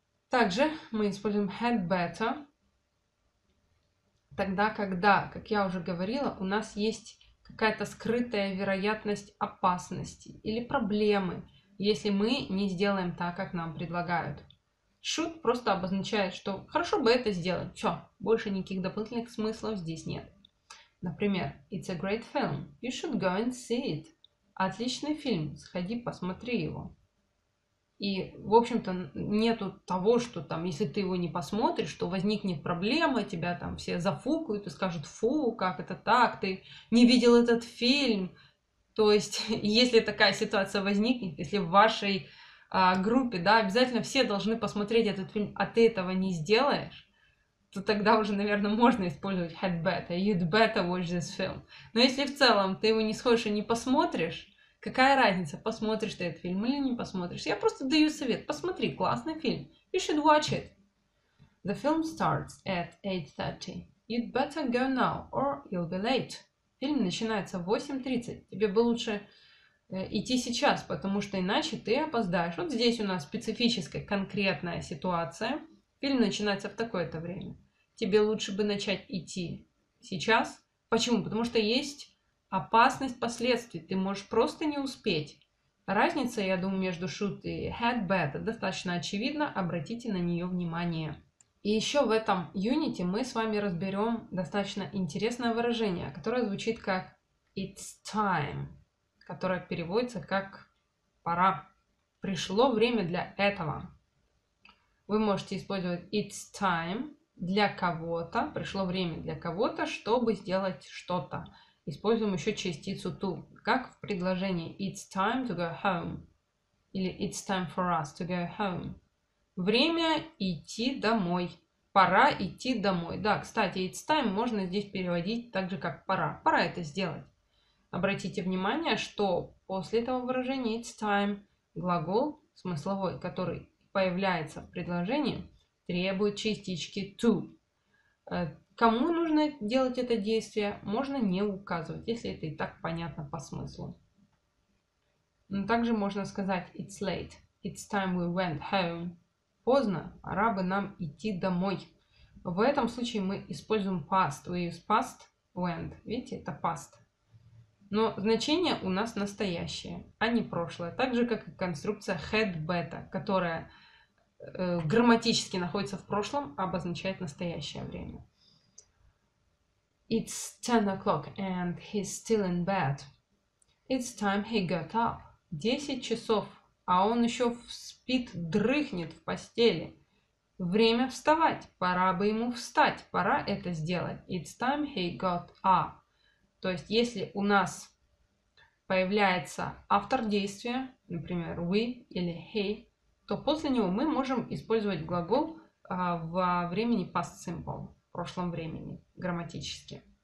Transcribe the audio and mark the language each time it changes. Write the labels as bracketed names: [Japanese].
[Russian] Также мы используем had better тогда, когда, как я уже говорила, у нас есть какая-то скрытая вероятность опасности или проблемы, если мы не сделаем так, как нам предлагают. Should просто обозначает, что хорошо бы это сделать. Все, больше никаких дополнительных смыслов здесь нет. Например, [English] it's a great film. You should go and see it. [Russian] Отличный фильм, сходи, посмотри его. И, в общем-то, нету того, что там, если ты его не посмотришь, то возникнет проблема, тебя там все зафукают и скажут, фу, как это так, ты не видел этот фильм. То есть, если такая ситуация возникнет, если в вашей группе, да, обязательно все должны посмотреть этот фильм, а ты этого не сделаешь, то тогда уже, наверное, можно использовать had better, [English] you'd better watch this film. [Russian] Но если в целом ты его не сходишь и не посмотришь, какая разница, посмотришь ты этот фильм или не посмотришь, я просто даю совет, посмотри, классный фильм, [English] you should watch it. The film starts at 8:30. You'd better go now, or you'll be late. [Russian] Фильм начинается в 8:30. Тебе бы лучше идти сейчас, потому что иначе ты опоздаешь. Вот здесь у нас специфическая, конкретная ситуация. Фильм начинается в такое-то время. Тебе лучше бы начать идти сейчас. Почему? Потому что есть опасность последствий. Ты можешь просто не успеть. Разница, я думаю, между should и had better достаточно очевидна. Обратите на нее внимание. И еще в этом юните мы с вами разберем достаточно интересное выражение, которое звучит как it's time, которое переводится как пора. Пришло время для этого. Вы можете использовать it's time для кого-то. Пришло время для кого-то, чтобы сделать что-то. Используем еще частицу to, как в предложении [English] it's time to go home [Russian] или [English] it's time for us to go home. [Russian] Время идти домой. Пора идти домой. Да, кстати, it's time можно здесь переводить так же, как пора. Пора это сделать. Обратите внимание, что после этого выражения it's time глагол смысловой, который появляется в предложении, требует частички to. Кому нужно делать это действие, можно не указывать, если это и так понятно по смыслу. Но также можно сказать [English] it's late. It's time we went home. [Russian] Поздно, пора бы нам идти домой. В этом случае мы используем past. [English] We use past, went. [Russian] Видите, это past. Но значение у нас настоящее, а не прошлое. Так же, как и конструкция had better, которая грамматически находится в прошлом, обозначает настоящее время. [English] It's 10 o'clock and he's still in bed. It's time he got up. [Russian] 10 часов. А он еще спит, дрыхнет в постели. Время вставать. Пора бы ему встать. Пора это сделать. [English] It's time he got up. [Russian] То есть, если у нас появляется автор действия, например, we или he, то после него мы можем использовать глагол во времени past simple, в прошлом времени, грамматически.